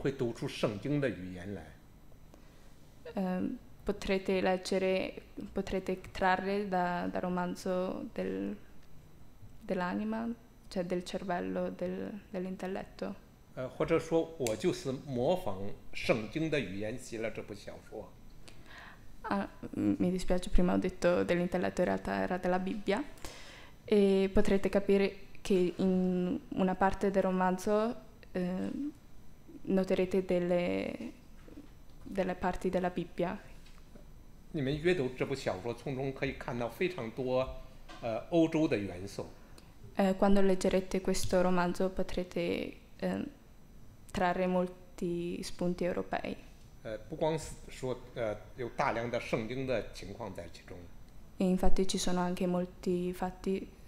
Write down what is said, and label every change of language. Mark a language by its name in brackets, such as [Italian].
[Chinese] 你会读出圣经的语言来。 [Italian] Potrete leggere, potrete trarre da romanzo dell'anima, cioè del cervello, dell'intelletto. [Chinese] 或者说我就是模仿圣经的语言写了这部小说。 [Italian] Mi dispiace, prima ho detto dell'intelletto, in realtà era della Bibbia. E potrete capire che in una parte del romanzo noterete delle parti della Bibbia. [Chinese] 你们阅读这部小说，从中可以看到非常多欧洲的元素。 [Italian] Quando leggerete questo romanzo potrete trarre molti spunti europei. [Chinese] 不光是说有大量的圣经的情况在其中。 [Italian] Infatti ci sono anche molti fatti